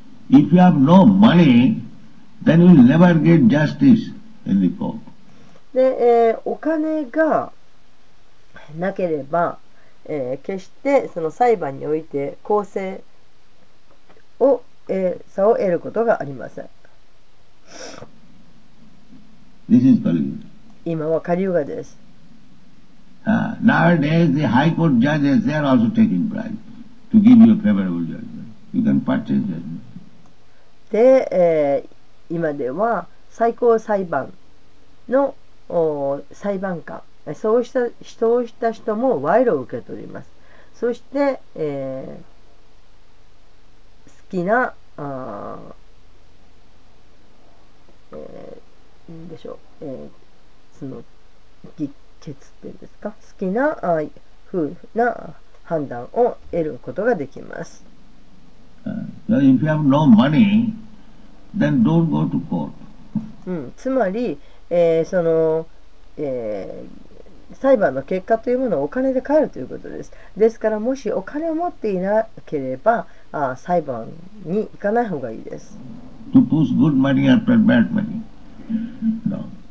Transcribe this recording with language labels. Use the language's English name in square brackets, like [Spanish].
[English] If you have no money, then you will never get justice in the court. [Japanese] で、お金がなければ、決してその裁判において公正を、差を得ることがありません。 [English] This is Kali Yuga. [Japanese] 今はカリウガです。 [English] Nowadays, the high court judges, they are also taking bribe to give you a favorable judgment. You can purchase judgment. [Japanese] で、今では最高裁判の裁判官、そうした人をした人も賄賂を受け取ります。そして、好きな、でしょう、その議決っていうんですか、好きな夫婦な判断を得ることができます。 [English] If you have no money,Then don't go to court. [Japanese] つまり、その、裁判の結果というものをお金で買えるということです。ですからもしお金を持っていなければ裁判に行かない方がいいです。 [English] To push good money after bad money. No.